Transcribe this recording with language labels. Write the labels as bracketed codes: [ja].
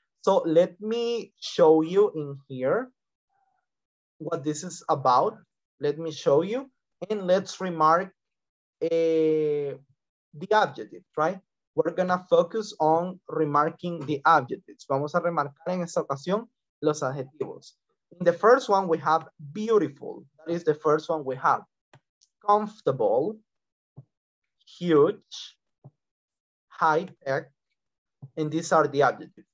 [en] So let me show you in here what this is about. Let me show you and let's remark the adjective, right? We're gonna focus on remarking the adjectives. [es] Vamos a remarcar en esta ocasión los adjetivos. [en] In the first one, we have beautiful. That is the first one we have. Comfortable, huge, high tech, and these are the adjectives.